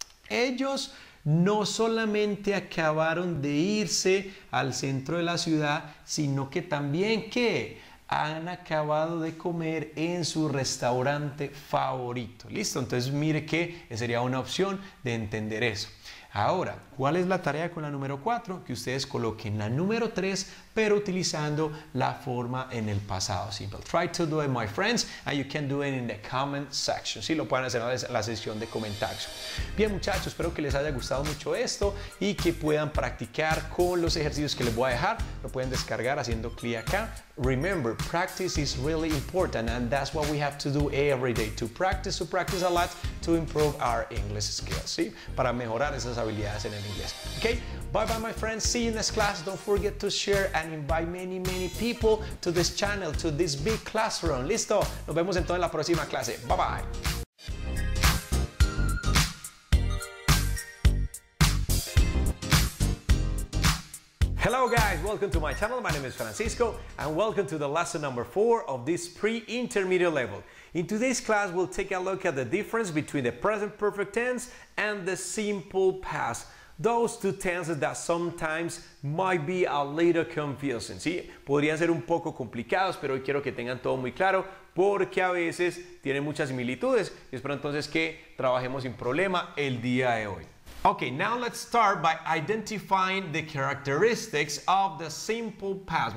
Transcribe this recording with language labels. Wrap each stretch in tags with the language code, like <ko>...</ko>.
<es>Ellos no solamente acabaron de irse al centro de la ciudad, sino que también que han acabado de comer en su restaurante favorito. ¿Listo? Entonces, mire que sería una opción de entender eso. Ahora, ¿cuál es la tarea con la número 4? Que ustedes coloquen la número 3, pero utilizando la forma en el pasado simple.</es> <en>Try to do it, my friends, and you can do it in the comment section.</en> <es>Sí, lo pueden hacer en la sesión de comentarios. Bien, muchachos, espero que les haya gustado mucho esto y que puedan practicar con los ejercicios que les voy a dejar. Lo pueden descargar haciendo clic acá.</es> <en>Remember, practice is really important, and that's what we have to do every day. To practice a lot to improve our English skills.</en> <es>Sí, para mejorar esas habilidades en el inglés.</es> <en>Okay, bye bye, my friends. See you in this class. Don't forget to share and and invite many, many people to this channel, to this big classroom.</en> <es>¿Listo? Nos vemos entonces en la próxima clase.</es> <en>Bye bye. Hello guys, welcome to my channel. My name is Francisco and welcome to the lesson number 4 of this pre-intermediate level. In today's class, we'll take a look at the difference between the present perfect tense and the simple past. Those two tenses that sometimes might be a little confusing.</en> <es>Sí, podrían ser un poco complicados, pero hoy quiero que tengan todo muy claro porque a veces tienen muchas similitudes. Espero entonces que trabajemos sin problema el día de hoy.</es> <en>Okay, now let's start by identifying the characteristics of the simple past.</en>